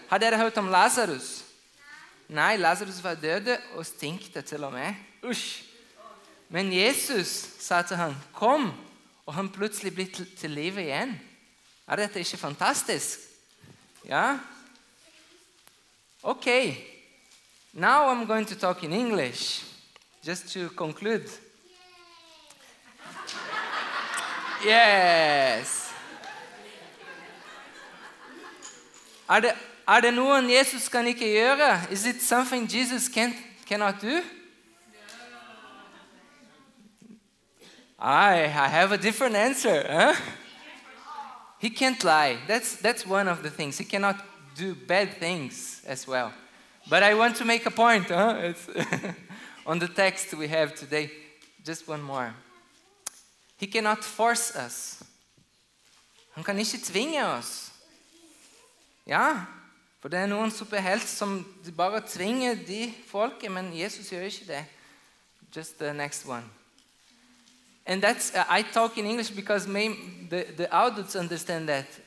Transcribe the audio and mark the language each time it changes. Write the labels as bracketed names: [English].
[Norwegian] Har dere hørt om Lazarus? Nei, Lazarus var døde og stinkte til og med. Usch. Men Jesus sa til han, kom. Og han plutselig ble til liv igjen. Er dette ikke fantastisk? Ja. Ok. [English] Now I'm going to talk in English, just to conclude. Yes. [Norwegian] Er det noen Jesus kan ikke gjøre? [English] Is it something Jesus cannot do? I have a different answer. Huh? He can't lie. That's one of the things. He cannot do bad things as well. But I want to make a point, huh? It's on the text we have today. Just one more. He cannot force us. [Norwegian] Han kan ikke tvinge oss. Ja, for det noen superhelt som bare tvinger de folket, men Jesus gjør ikke det. [English] Just the next one. And that's, I talk in English because the adults understand that.